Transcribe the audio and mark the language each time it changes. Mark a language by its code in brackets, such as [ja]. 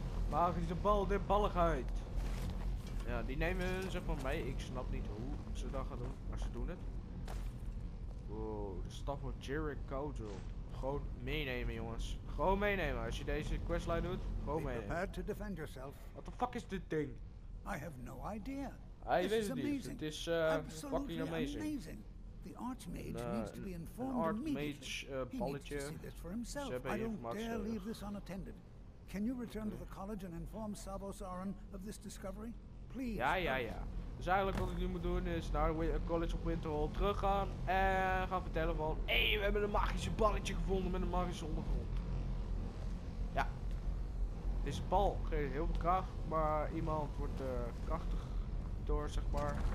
[nl] Maar die bal, de balligheid. Ja, die nemen ze zeg maar mee. Ik snap niet hoe ze dat gaan doen, maar ze doen het. Wow, de staf van Jericho. Gewoon meenemen, jongens. Gewoon meenemen. Als je deze questline doet, gewoon meenemen. [en] Be prepared to defend yourself. What the fuck is [nl] dit ding? [en] I have no idea. [nl] Hij weet het niet. Het is fucking amazing. [en] The Archmage needs to be informed immediately. [nl] Balletje. Ze hebben hier gemaakt. [en] Can you return to the college and inform Sabo Saren of this discovery? Please. [nl] Ja. Dus eigenlijk wat ik nu moet doen is naar College of Winterhold teruggaan en gaan vertellen van hey, we hebben een magische balletje gevonden met een magische ondergrond. Ja. Deze bal geeft heel veel kracht, maar iemand wordt krachtig door, zeg maar.